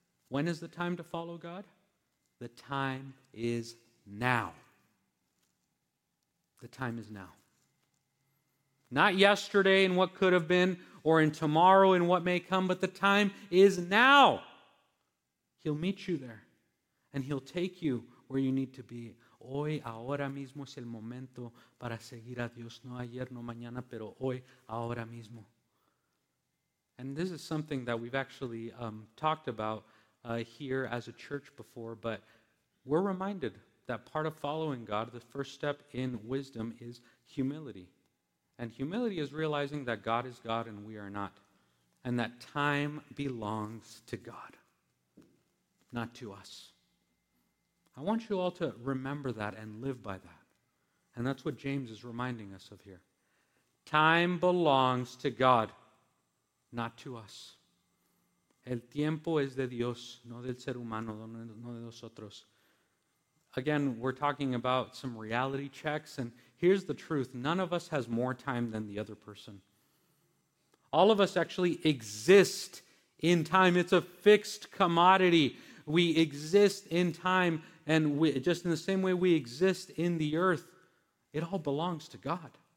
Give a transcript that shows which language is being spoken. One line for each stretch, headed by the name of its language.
English: When is the time to follow God? The time is now. The time is now. Not yesterday and what could have been, or in tomorrow and what may come, but the time is now. He'll meet you there, and he'll take you where you need to be.
Spanish: Hoy, ahora mismo es el momento para seguir a Dios. No ayer, no mañana, pero hoy, ahora mismo.
English: And this is something that we've actually talked about here as a church before, but we're reminded that part of following God, the first step in wisdom, is humility. And humility is realizing that God is God and we are not. And that time belongs to God, not to us. I want you all to remember that and live by that. And that's what James is reminding us of here. Time belongs to God, not to us.
Spanish: El tiempo es de Dios, no del ser humano, no de nosotros.
English: Again, we're talking about some reality checks, and here's the truth. None of us has more time than the other person. All of us actually exist in time. It's a fixed commodity. We exist in time, and we, just in the same way we exist in the earth, it all belongs to God.